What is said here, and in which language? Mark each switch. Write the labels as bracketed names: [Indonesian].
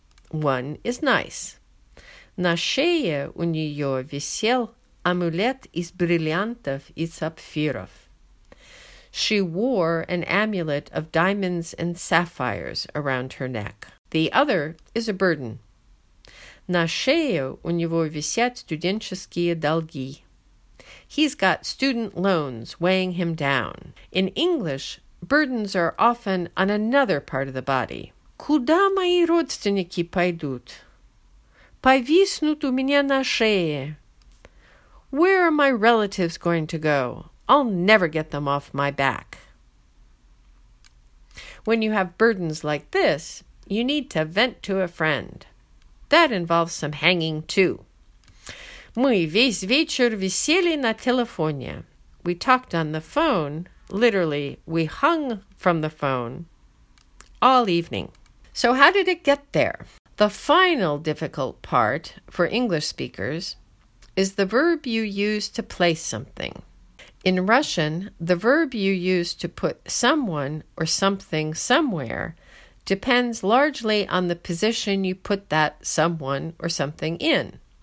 [English] One is nice. [Russian] На шее у нее висел амулет из бриллиантов и сапфиров. [English] She wore an amulet of diamonds and sapphires around her neck. The other is a burden. [Russian] На шее у него висят студенческие долги. [English] He's got student loans weighing him down. In English, burdens are often on another part of the body. [Russian] Куда мои родственники пойдут? Повиснут у меня на шее. [English] Where are my relatives going to go? I'll never get them off my back. When you have burdens like this, you need to vent to a friend. That involves some hanging too. [Russian] Мы весь вечер висели на телефоне. [English] We talked on the phone. Literally, we hung from the phone all evening. So how did it get there? The final difficult part for English speakers is the verb you use to place something. In Russian, the verb you use to put someone or something somewhere depends largely on the position you put that someone or something in.